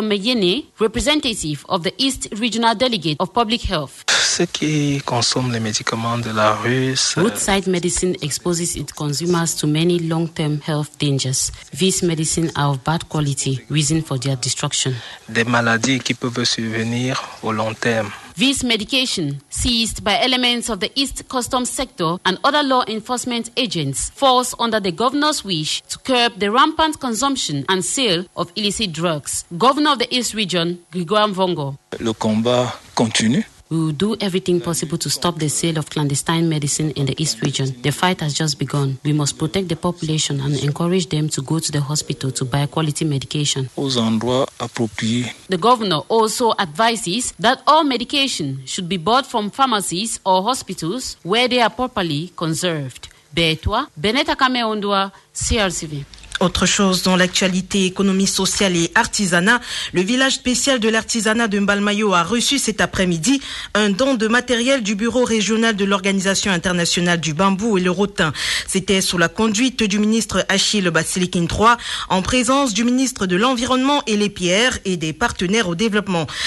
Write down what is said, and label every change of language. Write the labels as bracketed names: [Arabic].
[English] Meyene, representative of the East Regional Delegate of Public Health. Roadside medicine exposes its consumers to many long-term health dangers. These medicines are of bad quality, reason for their destruction. [French] Des maladies qui peuvent survenir au long terme. [English] This medication, seized by elements of the East Customs Sector and other law enforcement agents, falls under the governor's wish to curb the rampant consumption and sale of illicit drugs. Governor of the East Region, Gregoire Mvongo. [French] Le combat continue. [English] We will do everything possible to stop the sale of clandestine medicine in the East Region. The fight has just begun. We must protect the population and encourage them to go to the hospital to buy quality medication. [French] Aux endroits appropriés. [English] The governor also advises that all medication should be bought from pharmacies or hospitals where they are properly conserved. Betwa, Bennett Akamendwa, CRCV. [French] Autre chose dans l'actualité, économie sociale et artisanat, le village spécial de l'artisanat de Mbalmayo a reçu cet après-midi un don de matériel du bureau régional de l'Organisation internationale du bambou et le rotin. C'était sous la conduite du ministre Achille Basilikin III, en présence du ministre de l'Environnement et les pierres et des partenaires au développement.